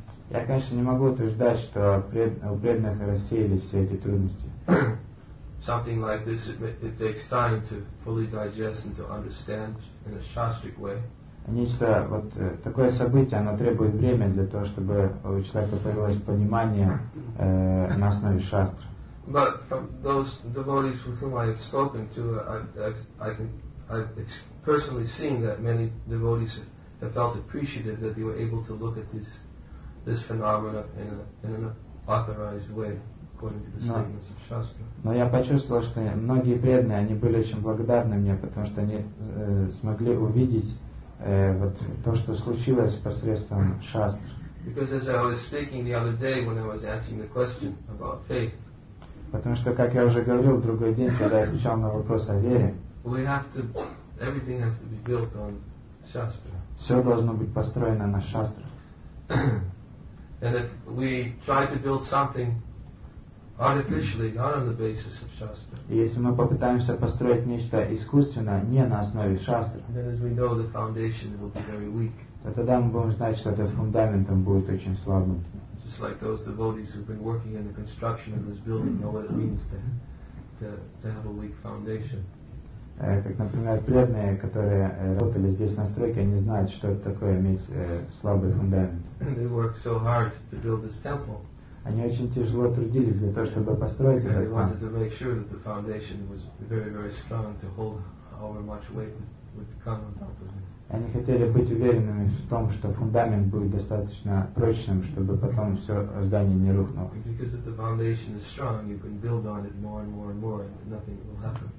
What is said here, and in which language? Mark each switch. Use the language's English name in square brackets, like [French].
[Russian] Я, конечно, не могу утверждать, что у преданных рассеялись все эти трудности. [English] Something like this, it takes time to fully digest and to understand in a shastric way. [Russian] Нечто, вот такое событие, оно требует времени для того, чтобы у человека появилось понимание на основе шастр. [English] But from those devotees with whom I have spoken to, I've personally seen that many devotees have felt appreciative that they were able to look at this phenomena in an authorized way, according to the statements of shastra. [Russian] Но я почувствовал, что многие преданные, они были очень благодарны мне, потому что они смогли увидеть вот то, что случилось посредством шастр. [English] Because as I was speaking the other day when I was asking the question about faith. [Russian] Потому что, как я уже говорил, в другой день, когда я отвечал на вопрос о вере. [English] We have to, everything has to be built on shastra. [Russian] Все должно быть построено на шастрах. [English] And if we try to build something artificially, not on the basis of shastra. [Russian] Если мы попытаемся построить нечто искусственно, не на основе шастр, [English] then as we know, the foundation will be very weak. [Russian] То тогда мы будем знать, что этот фундамент будет очень слабым. [English] Just like those devotees who've been working in the construction of this building know what it means to have a weak foundation. [Russian] Как, например, преданные, которые работали здесь на стройке, они знают, что это такое иметь слабый фундамент. [English] They work so hard to build this temple. [Russian] Они очень тяжело трудились для того, чтобы построить этот храм. [English] They wanted to make sure that the foundation was very, very strong to hold however much weight would come on top of it. [Russian] Они хотели быть уверенными в том, что фундамент будет достаточно прочным, чтобы потом все здание не рухнуло. [English] Because if the foundation is strong, you can build on it more and more and more, and nothing will happen.